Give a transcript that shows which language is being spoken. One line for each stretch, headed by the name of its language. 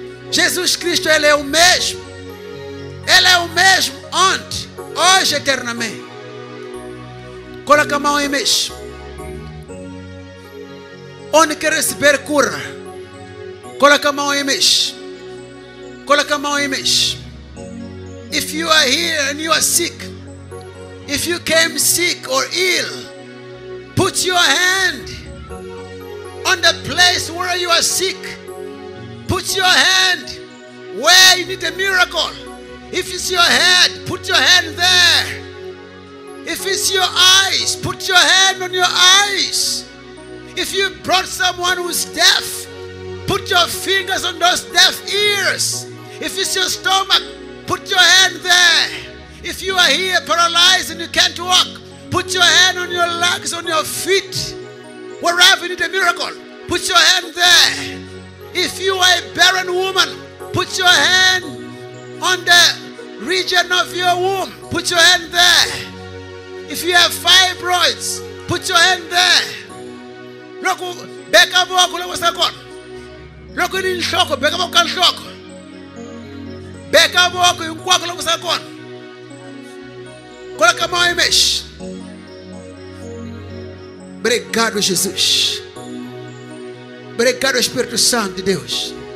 Portuguese: Jesus Cristo, Ele é o mesmo. Ele é o mesmo ontem, hoje, eternamente. Coloca a mão aí mesmo. Onde quer receber cura, coloca a mão aí mesmo. Coloca a mão aí mesmo.
English: If you are here and you are sick, if you came sick or ill, put your hand on the place where you are sick. Put your hand where you need a miracle. If it's your head, put your hand there. If it's your eyes, put your hand on your eyes. If you brought someone who's deaf, put your fingers on those deaf ears. If it's your stomach, put your hand there. If you are here paralyzed and you can't walk, put your hand on your legs, on your feet. Wherever you need a miracle, put your hand there. If you are a barren woman, put your hand on the region of your womb, put your hand there. If you have fibroids, put your hand there. Loco, beca a boca, leva essa cor. Loco, ele em choco, beca a boca, choco. Beca a boca, e um coco, leva essa cor.
Portuguese: Coloca a mão e mexe. Obrigado, Jesus. Obrigado, Espírito Santo de Deus.